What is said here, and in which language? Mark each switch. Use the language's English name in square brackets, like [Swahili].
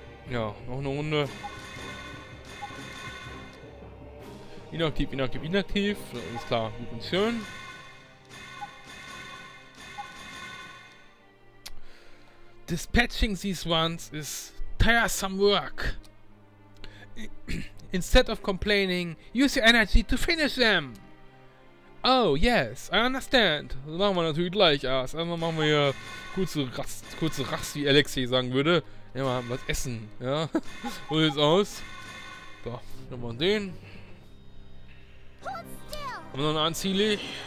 [German] Ja, noch eine Runde. Inaktiv, inaktiv, inaktiv. Alles klar, gut und schön. [English] Dispatching these ones is tiresome work. Instead of complaining, use your energy to finish them. Oh, yes, I understand. [German] Das machen wir natürlich gleich erst. Einmal machen wir hier kurze Rast, wie Alexei sagen würde. Ja, mal was essen, ja. Hol jetzt aus. So, nehmen wir den. Haben wir noch einen Anziele?